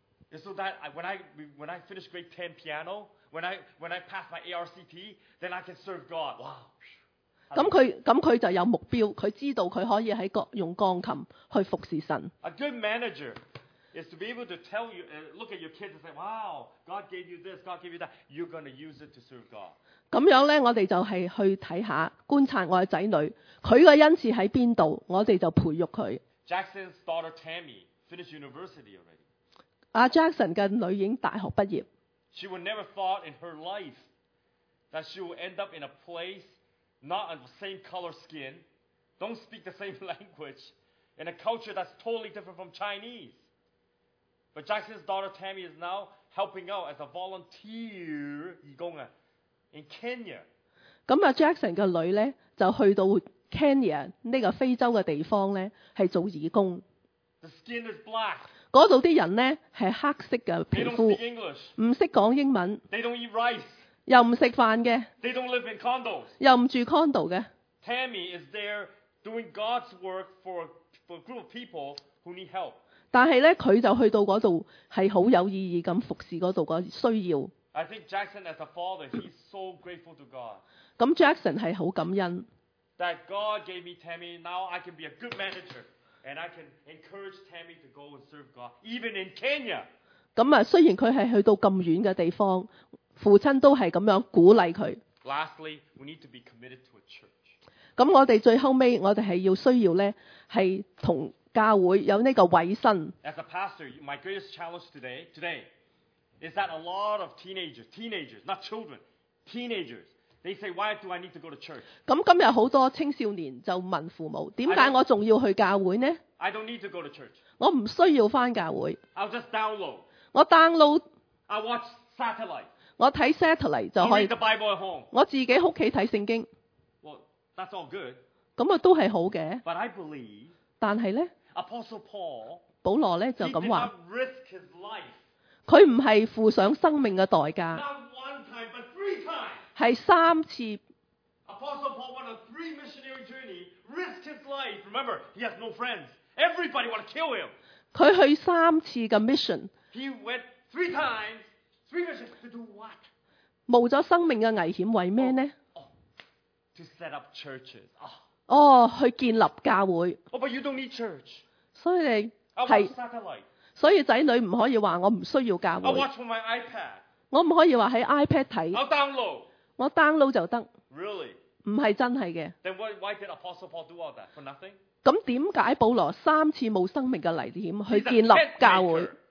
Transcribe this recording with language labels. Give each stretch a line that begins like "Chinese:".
English: It's so that when I finish grade 10 piano, when I pass my ARCT, then I can serve God. Wow.
Cantonese: 咁佢就有目標，佢知道佢可以喺用鋼琴去服侍神。
English: A good manager is to be able to tell you, look at your kids and say, "Wow, God gave you this, God gave you that. You're going to use it to serve God."
Cantonese: 咁樣咧，我哋就係去睇下，觀察我嘅仔女，佢嘅恩賜喺邊度，我哋就培育佢。
English: Jackson's daughter Tammy finished university already.
Cantonese: 阿 Jackson 嘅女已經大學畢業。
English: She would never thought in her life that she would end up in a place. Not on the same color skin, don't speak the same language, in a culture that's totally different from Chinese. But Jackson's daughter Tammy is now helping out as a volunteer 義工 in Kenya.
Cantonese: 咁啊 ，Jackson 嘅女咧就去到 Kenya 呢個非洲嘅地方咧，係做義工。
English: The skin is black.
Cantonese: 嗰度啲人咧係黑色嘅皮膚，唔識講英文。
English: They don't eat rice.
Cantonese: 又唔食饭嘅，
English: They don't live in condos.
Cantonese: 又唔住 condo 嘅。
English: Tammy is there doing God's work for a group of people who need help.
Cantonese: 但系咧，佢就去到嗰度，系好有意义咁服侍嗰度个需要。
English: I think Jackson as a father, he's so grateful to God.
Cantonese: 咁 Jackson 系好感恩。
English: That God gave me Tammy, now I can be a good manager, and I can encourage Tammy to go and serve God, even in Kenya.
Cantonese: 咁啊，虽然佢系去到咁远嘅地方。父親都係咁樣鼓勵佢。
English: Lastly, we need to be committed to a church.
Cantonese: 咁我哋最後尾，我哋係要需要咧，係同教會有呢個委身。
English: As a pastor, my greatest challenge today is that a lot of teenagers, not children, teenagers, they say, why do I need to go to church?
Cantonese: 咁今日好多青少年就問父母，點解我仲要去教會呢？
English: I don't need to go to church.
Cantonese: 我唔需要翻教會。
English: I'll just download.
Cantonese: 我 download.
English: I watch satellite.
Cantonese: 我睇 satellite 就可以。
English: I read the Bible at home.
Cantonese: 我自己屋企睇聖經。
English: That's all good.
Cantonese: 咁啊，都係好嘅。
English: But I believe.
Cantonese: 但係咧
English: ，Apostle Paul，
Cantonese: 保羅咧就咁話。
English: He did not risk his life.
Cantonese: 佢唔係付上生命嘅代價。
English: Not one time, but three times.
Cantonese: 係三次。
English: Apostle Paul went on three missionary journey, risked his life. Remember, he has no friends. Everybody want to kill him.
Cantonese: 佢去三次嘅 mission.
English: He went three times, three missions to do what?
Cantonese: 冒咗生命嘅危險為咩呢？
English: To set up churches.
Cantonese: Oh, 去建立教会。
English: Oh, but you don't need church.
Cantonese: 所以你
English: 系。I watch satellite.
Cantonese: 所以仔女唔可以话我唔需要教会。
English: I watch on my iPad.
Cantonese: 我唔可以话喺 iPad 睇。
English: I download.
Cantonese: 我 download 就得。
English: Really?
Cantonese: 唔系真系嘅。
English: Then why did Apostle Paul do all that for nothing?
Cantonese: 咁点解保罗三次冒生命嘅危险去建立教会